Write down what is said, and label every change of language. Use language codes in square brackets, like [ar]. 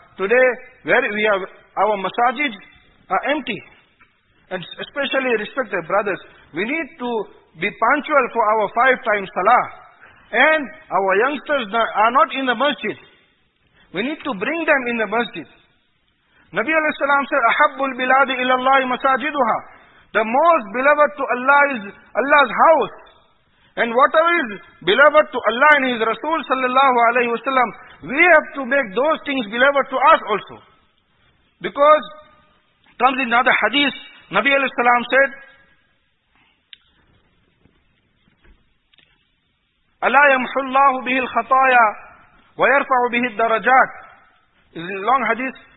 [en] Today, where we have our masajid are empty. And especially respected brothers, we need to be punctual for our five times Salah. And our youngsters are not in the masjid. We need to bring them in the masjid. Nabi alayhi salam said, [ar] أَحَبُّ الْبِلَادِ إِلَى اللَّهِ مَسَاجِدُهَا. [en] The most beloved to Allah is Allah's house. And whatever is beloved to Allah and His Rasul sallallahu alayhi wa sallam, we have to make those things beloved to us also. Because comes in another hadith, Nabi alayhi salam said, [ar] أَلَا يَمْحُ اللَّهُ بِهِ الْخَطَايَا وَيَرْفَعُ بِهِ الدَّرَجَاتِ. [en] This is a long hadith.